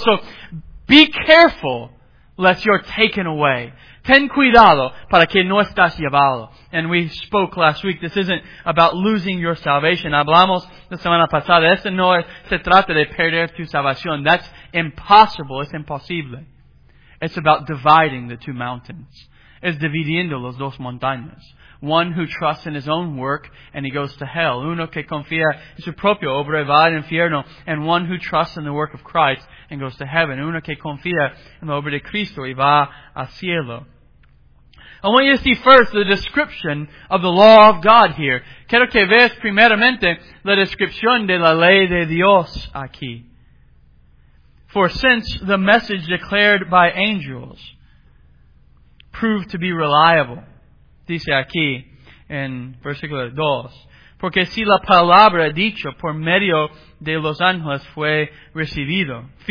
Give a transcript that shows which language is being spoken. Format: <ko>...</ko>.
<en>So, be careful lest you're taken away.</en> <es>Ten cuidado para que no estás llevado.</es> <en>And we spoke last week, this isn't about losing your salvation.</en> <es>Hablamos la semana pasada, esto no se trata de perder tu salvación.</es> <en>That's impossible,</en> <es>es imposible.</es> <en>It's about dividing the two mountains.</en> <es>Es dividiendo los dos montañas.</es> <en>One who trusts in his own work and he goes to hell.</en> <es>Uno que confía en su propio obra y va al infierno.</es> <en>And one who trusts in the work of Christ and goes to heaven.</en> <es>Uno que confía en la obra de Cristo y va al cielo.</es> <en>I want you to see first the description of the law of God here.</en> <es>Quiero que veas primeramente la descripción de la ley de Dios aquí.</es> <en>For since the message declared by angels proved to be reliable.</en> <es>Dice aquí, en versículo 2. Porque si la palabra dicho por medio de los ángeles fue recibido.</es>